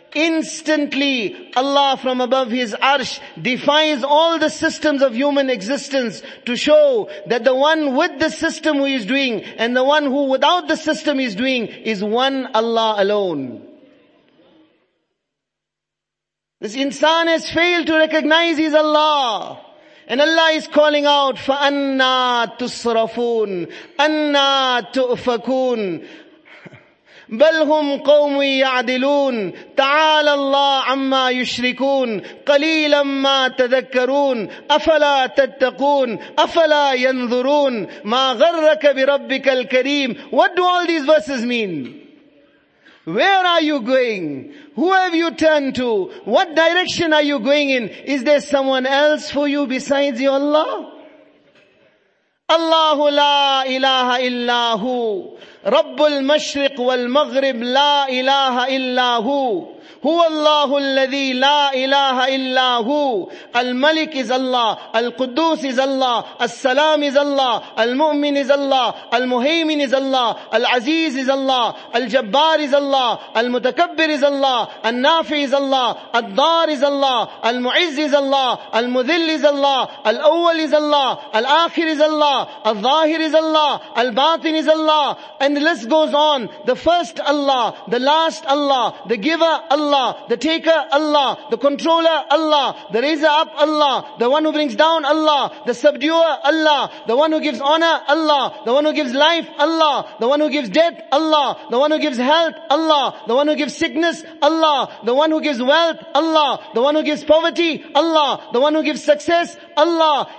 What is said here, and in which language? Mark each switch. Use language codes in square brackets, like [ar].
[en] Instantly, Allah from above His arsh defies all the systems of human existence to show that the one with the system who is doing and the one who without the system is doing is one Allah alone. This insan has failed to recognize his Allah. And Allah is calling out, [ar] فَأَنَّا تُصْرَفُونَ أَنَّا تُؤْفَكُونَ. بل هم قوم يعدلون تعالى الله عما يشركون قليلا ما تذكرون أفلا تتقون أفلا ينظرون ما غرك بربك الكريم. [en] What do all these verses mean? Where are you going? Who have you turned to? What direction are you going in? Is there someone else for you besides your Allah? [ar] الله لا إله إلا هو رب المشرق والمغرب لا إله إلا هو هو الله الذي لا إله إلا هو [en] الملك is Allah, القدوس is Allah, السلام is Allah, المؤمن is Allah, المهيمن is Allah, العزيز is Allah, الجبار is Allah, المتكبر is Allah, النافع is Allah, الضار is Allah, المعز is Allah, المذل is Allah, الأول is Allah, الآخر is Allah, الظاهر is Allah, الباطن is Allah. And the list goes on. The first Allah, the last Allah, the giver Allah, the taker Allah, the controller Allah, the raiser up Allah, the one who brings down Allah, the subduer Allah, the one who gives honor Allah, the one who gives life Allah, the one who gives death Allah, the one who gives health Allah, the one who gives sickness Allah, the one who gives wealth Allah, the one who gives poverty Allah, the one who gives success Allah.